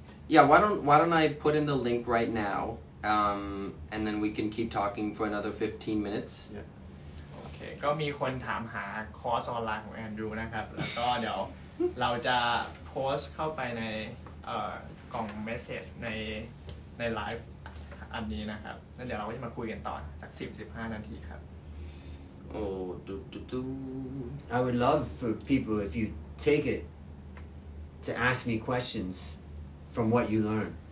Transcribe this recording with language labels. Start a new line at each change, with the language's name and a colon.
English: Yeah, why don't I put in the link right now, and then we can keep talking for another 15 minutes. Yeah. Okay.
Thai: ก็มีคนถามหาคอร์สออนไลน์ของแอนดรูว์นะครับแล้วก็เดี๋ยวเราจะโพสต์เข้าไปในกล่องเมสเซจในไลฟ์อันนี้นะครับนั่นเดี๋ยวเราก็จะมาคุยกันต่อสัก10-15นาทีครับ โอ้ดุดุดุ
English: I would love for people if you take it to ask me questions from what you learn